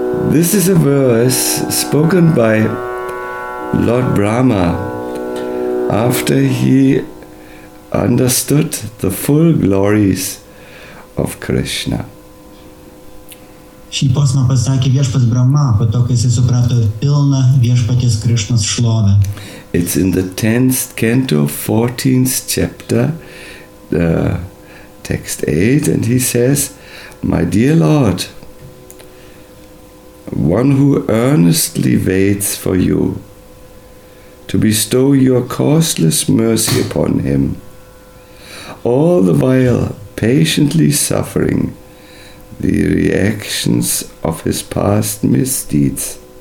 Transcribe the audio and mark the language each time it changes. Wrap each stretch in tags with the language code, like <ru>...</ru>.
<en>This is a verse spoken by Lord Brahma after he understood the full glories of Krishna.</en> <lt>Și posma pasakė viešpats Brahma, po to, kai jis suprato pilną viešpaties Krishnos šlovę.</lt> <en>It's in the 10th canto, 14th chapter, text 8, and he says, "My dear Lord, one who earnestly waits for you to bestow your causeless mercy upon him, all the while patiently suffering the reactions of his past misdeeds,</en>